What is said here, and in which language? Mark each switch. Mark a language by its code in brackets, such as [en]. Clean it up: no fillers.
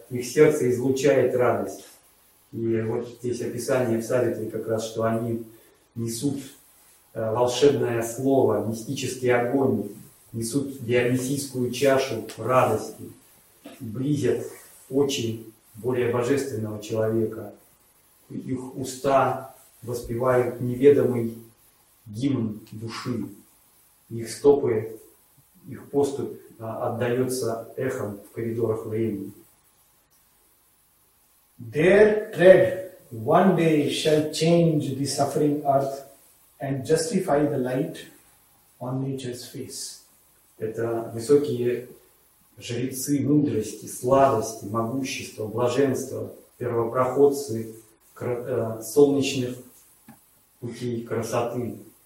[ru] Их сердце излучает радость. И вот здесь описание в Савитри как раз, что они несут волшебное слово, мистический огонь, несут дионисийскую чашу радости, близят очи более божественного человека. Их уста воспевают неведомый гимн души. Их стопы, их поступь отдается эхом в коридорах времени. [en] Their tread one day shall change the suffering earth and justify the light on nature's face. [ru] Это высокие жрецы мудрости, сладости, могущества, блаженства, первопроходцы солнечных путей красоты.